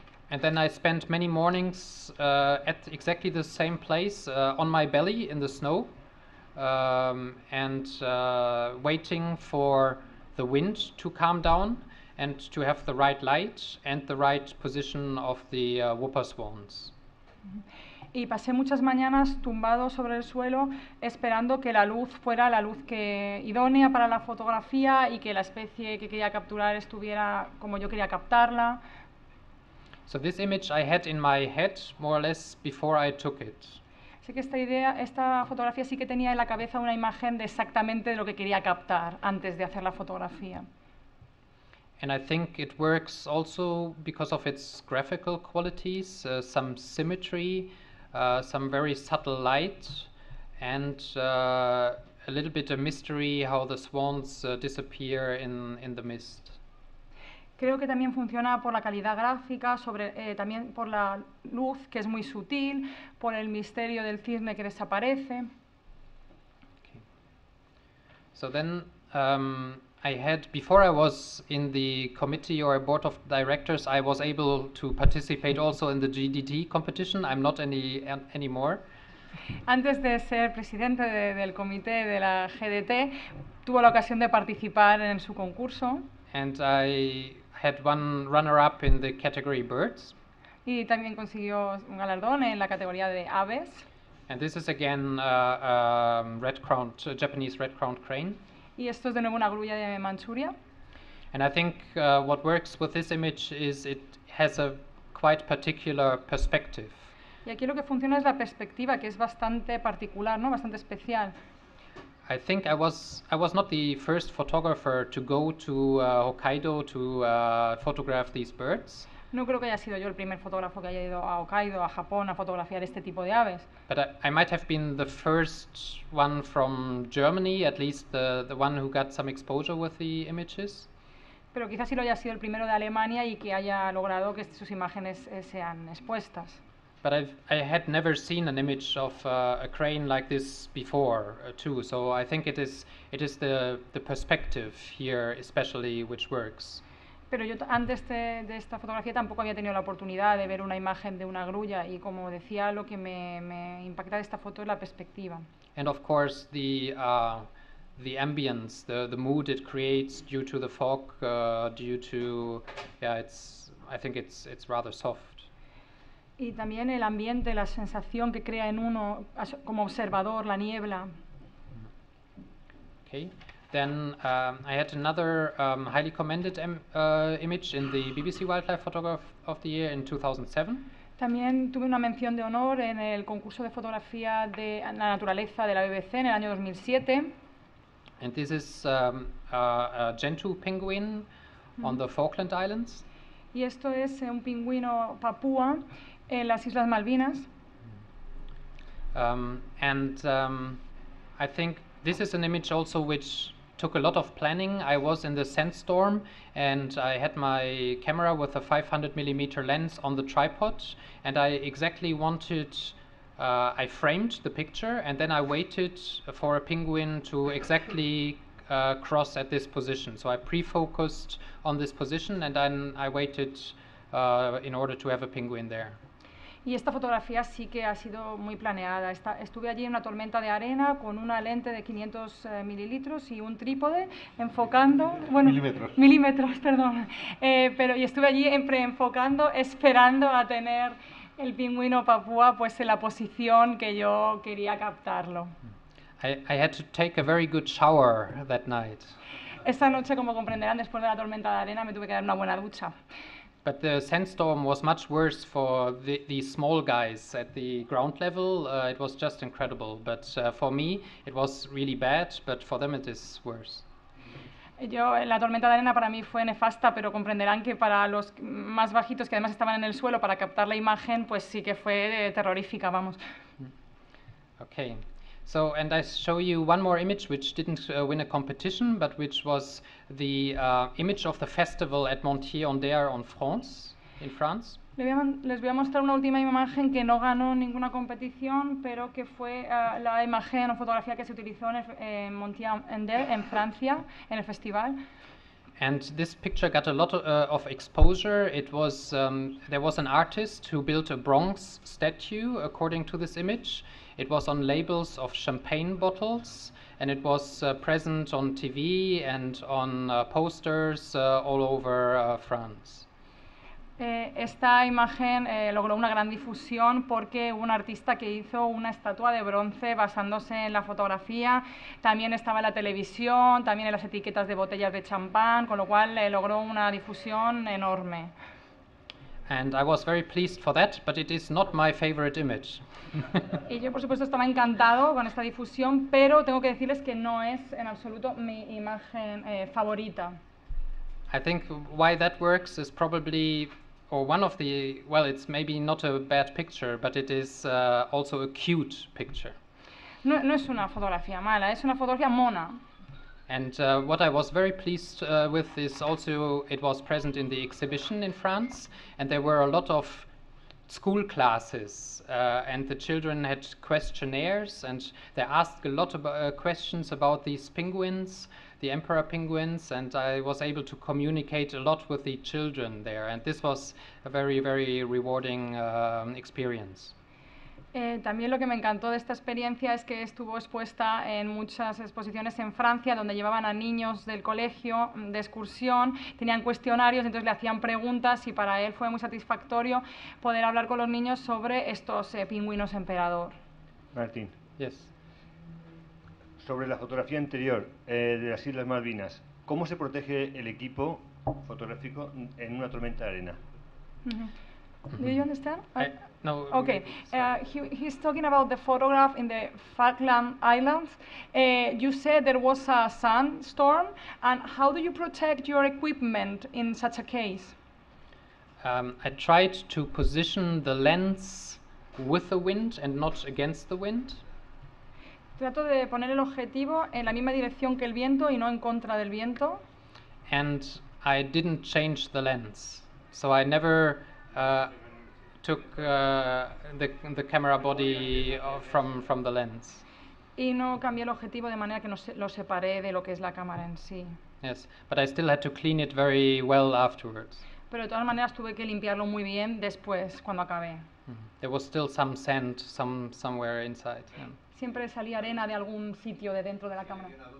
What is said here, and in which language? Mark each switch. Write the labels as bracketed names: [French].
[English] And then I spent many mornings at exactly the same place on my belly in the snow and waiting for the wind to calm down and to have the right light and the right position of the whooper swans. [Spanish] Y pasé muchas mañanas tumbado sobre el suelo esperando que la luz fuera la luz que idónea para la fotografía y que la especie que quería capturar estuviera como yo quería captarla. [English] So this image I had in my head more or less before I took it. [Spanish] Sí que esta fotografía sí que tenía en la cabeza una imagen de exactamente de lo que quería captar antes de hacer la fotografía. [English] And I think it works also because of its graphical qualities, some symmetry, some very subtle light, and a little bit of mystery how the swans disappear in the mist. [Spanish] Creo que también funciona por la calidad gráfica, sobre también por la luz que es muy sutil, por el misterio del cisne que desaparece. [English] Okay. So then I had, before I was in the committee or a board of directors, I was able to participate also in the GDT competition. I'm not anymore. [Spanish] Antes de ser presidente del comité de la GDT, tuvo la ocasión de participar en su concurso. [English] And I had one runner-up in the category birds. [Spanish] Y también consiguió un galardón en la categoría de aves. [English] And this is again red-crowned, a Japanese red-crowned crane. [Spanish] Y esto es de nuevo una grulla de Manchuria. [English] And I think what works with this image is it has a quite particular perspective. [Spanish] Y aquí lo que funciona es la perspectiva, que es bastante particular, ¿no? Bastante especial. [English] I think I was not the first photographer to go to Hokkaido to photograph these birds. [Spanish] No creo que haya sido yo el primer fotógrafo que haya ido a Hokkaido, a Japón, a fotografiar este tipo de aves. [English] But I might have been the first one from Germany, at least the one who got some exposure with the images. [Spanish] Pero quizás sí lo haya sido el primero de Alemania y que haya logrado que sus imágenes sean expuestas. [English] But I had never seen an image of a crane like this before, too. So I think it is the perspective here, especially, which works. [Spanish] Pero yo antes de esta fotografía tampoco había tenido la oportunidad de ver una imagen de una grulla y como decía, lo que me impacta de esta foto es la perspectiva. [English] And of course the ambience, the mood it creates due to the fog, due to, yeah, I think it's rather soft. [Spanish] Y también el ambiente, la sensación que crea en uno como observador, la niebla. [English] Okay. Then I had another highly commended image in the BBC Wildlife Photograph of the Year in 2007. [Spanish] También tuve una mención de honor en el concurso de fotografía de la naturaleza de la BBC en el año 2007. [English] And this is a gentoo penguin on the Falkland Islands. [Spanish] Y esto es un pingüino papúa en las Islas Malvinas. [English] I think this is an image also which took a lot of planning. I was in the sandstorm and I had my camera with a 500 millimeter lens on the tripod and I exactly wanted, I framed the picture and then I waited for a penguin to exactly cross at this position. So I pre-focused on this position and then I waited in order to have a penguin there. [Spanish] Y esta fotografía sí que ha sido muy planeada. Estuve allí en una tormenta de arena con una lente de 500 mililitros y un trípode enfocando... Bueno, milímetros. Milímetros, perdón. Y estuve allí preenfocando, esperando a tener el pingüino papúa pues, en la posición que yo quería captarlo. [English] I had to take a very good shower that night. [Spanish] Esta noche, como comprenderán, después de la tormenta de arena me tuve que dar una buena ducha. [English] But the sandstorm was much worse for these small guys at the ground level. It was just incredible. But for me, it was really bad. But for them, it is worse. [Spanish] Yo, la tormenta de arena para mí fue nefasta, pero comprenderán que para los más bajitos, que además estaban en el suelo para captar la imagen, pues sí que fue terrorífica, vamos. [English] Okay. So, and I show you one more image which didn't win a competition, but which was the image of the festival at Montier-en-Der in France. [Spanish] Les voy a mostrar una última imagen que no ganó ninguna competición, pero que fue la imagen o fotografía que se utilizó en Montier-Ender en Francia, en el festival. [English] And this picture got a lot of exposure. It was there was an artist who built a bronze statue according to this image. It was on labels of champagne bottles, and it was present on TV and on posters all over France. [Spanish] Esta imagen logró una gran difusión porque hubo un artista que hizo una estatua de bronce basándose en la fotografía. También estaba en la televisión, también en las etiquetas de botellas de champán, con lo cual logró una difusión enorme. [English] And I was very pleased for that, but it is not my favorite image. [Spanish] Y yo, por supuesto, estaba encantado con esta difusión, pero tengo que decirles que no es en absoluto mi imagen favorita. [English] I think why that works is probably, or one of the, well, it's maybe not a bad picture, but it is also a cute picture. [Spanish] No es una fotografía mala, es una fotografía mona. [English] And what I was very pleased with is also, it was present in the exhibition in France, and there were a lot of school classes, and the children had questionnaires, and they asked a lot of questions about these penguins, the emperor penguins, and I was able to communicate a lot with the children there, and this was a very, very rewarding experience. [Spanish] También lo que me encantó de esta experiencia es que estuvo expuesta en muchas exposiciones en Francia, donde llevaban a niños del colegio de excursión, tenían cuestionarios, entonces le hacían preguntas, y para él fue muy satisfactorio poder hablar con los niños sobre estos pingüinos emperador. Martín. [English] Yes. [Spanish] Sobre la fotografía anterior de las Islas Malvinas, ¿cómo se protege el equipo fotográfico en una tormenta de arena? [English] Do you understand? No. Okay. He's talking about the photograph in the Falkland Islands. You said there was a sandstorm, and how do you protect your equipment in such a case? I tried to position the lens with the wind and not against the wind. [Spanish] Trato de poner el objetivo en la misma dirección que el viento y no en contra del viento. [English] And I didn't change the lens, so I never took the camera body from the lens. [Spanish] Y no cambié el objetivo de manera que no lo separé de lo que es la cámara en sí. [English] Yes, but I still had to clean it very well afterwards. [Spanish] Pero de todas maneras tuve que limpiarlo muy bien después cuando acabé. [English] There was still some sand somewhere inside. Yeah. [Spanish] Siempre salía arena de algún sitio de dentro de la cámara.